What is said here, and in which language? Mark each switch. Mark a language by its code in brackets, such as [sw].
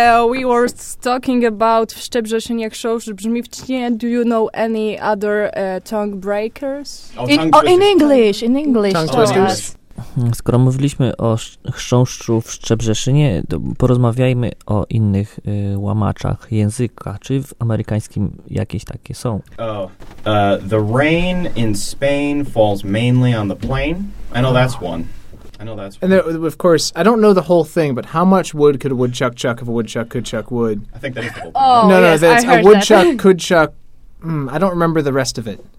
[en] We were talking about Szczebrzeszyn, jak show, [pl] że brzmi w Czechy. [en] Do you know any other tongue breakers? In English. Tongue twisters. [pl] Skoro mówiliśmy o chrząszczu w Szczebrzeszynie, to porozmawiajmy o innych łamaczach języka. Czy w amerykańskim jakieś takie są? [en] The rain in Spain falls mainly on the plain. I know that's one. And there, of course, I don't know the whole thing, but how much wood could a woodchuck chuck if a woodchuck could chuck wood? I think that is the whole thing. Oh, no, yes, that's I heard a woodchuck that. Could chuck. I don't remember the rest of it.